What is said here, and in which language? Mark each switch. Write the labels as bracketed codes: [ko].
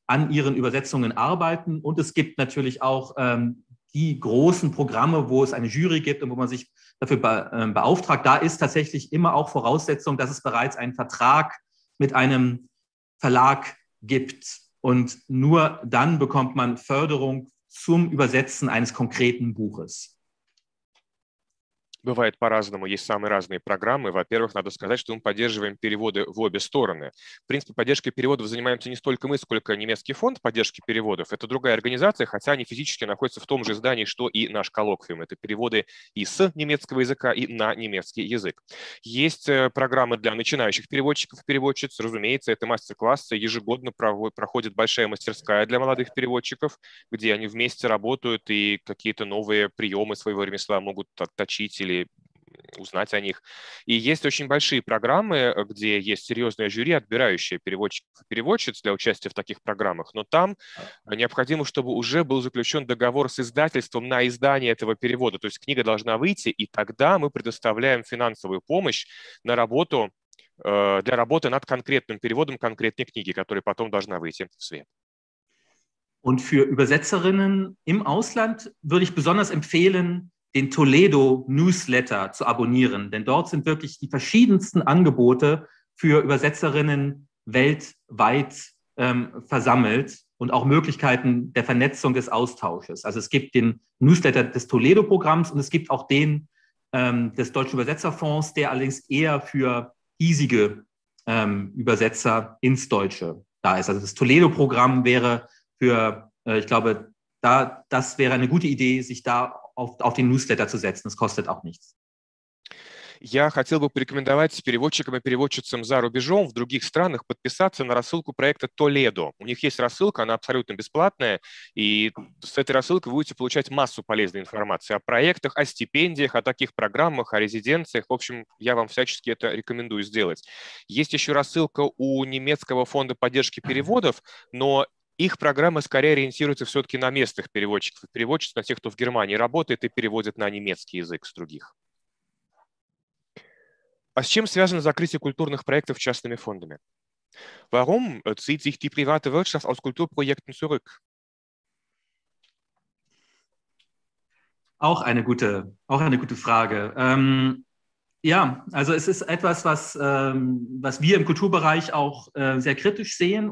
[de] an ihren Übersetzungen arbeiten. Und es gibt natürlich auch die großen Programme, wo es eine Jury gibt und wo man sich dafür beauftragt. Da ist tatsächlich immer auch Voraussetzung, dass es bereits einen Vertrag mit einem Verlag gibt. Und nur dann bekommt man Förderung zum Übersetzen eines konkreten Buches. [ru] Бывает по-разному, есть самые разные программы. Во-первых, надо сказать, что мы поддерживаем переводы в обе стороны. В принципе, поддержкой переводов занимаемся не столько мы, сколько немецкий фонд поддержки переводов. Это другая организация, хотя они физически находятся в том же здании, что и наш коллоквиум. Это переводы и с немецкого языка, и на немецкий язык. Есть программы для начинающих переводчиков и переводчиц. Разумеется, это мастер-классы. Ежегодно проходит большая мастерская для молодых переводчиков, где они вместе работают и какие-то новые приемы своего ремесла могут отточить или узнать о них. И есть очень большие программы, где есть серьезное жюри, отбирающее переводчиков и переводчиц для участия в таких программах, но там необходимо, чтобы уже был заключен договор с издательством на издание этого перевода. То есть книга должна выйти, и тогда мы предоставляем финансовую помощь на работу, для работы над конкретным переводом конкретной книги, которая потом должна выйти в свет. [de] Und für Übersetzerinnen im Ausland würde ich besonders empfehlen, den Toledo Newsletter zu abonnieren, denn dort sind wirklich die verschiedensten Angebote für Übersetzerinnen weltweit versammelt und auch Möglichkeiten der Vernetzung des Austausches. Also es gibt den Newsletter des Toledo-Programms und es gibt auch den des Deutschen Übersetzerfonds, der allerdings eher für hiesige Übersetzer ins Deutsche da ist. Also das Toledo-Programm wäre für, ich glaube, da das wäre eine gute Idee, sich da auf den Newsletter zu setzen. Das kostet auch nichts. [ru] Я хотел бы порекомендовать переводчикам и переводчицам за рубежом в других странах подписаться на рассылку проекта Toledo. У них есть рассылка, она абсолютно бесплатная, и с этой рассылкой вы будете получать массу полезной информации о проектах, о стипендиях, о таких программах, о резиденциях. В общем, я вам всячески это рекомендую сделать. Есть еще рассылка у немецкого фонда поддержки переводов, но их программы скорее ориентируются все-таки на местных переводчиков. Переводчиц на тех, кто в Германии работает и переводит на немецкий язык с других. А с чем связано закрытие культурных проектов частными фондами? [de] Warum zieht sich die private Wirtschaft aus Kulturprojekten zurück? Auch eine gute Frage. Ja, also es ist etwas, was, was wir im Kulturbereich auch sehr kritisch sehen.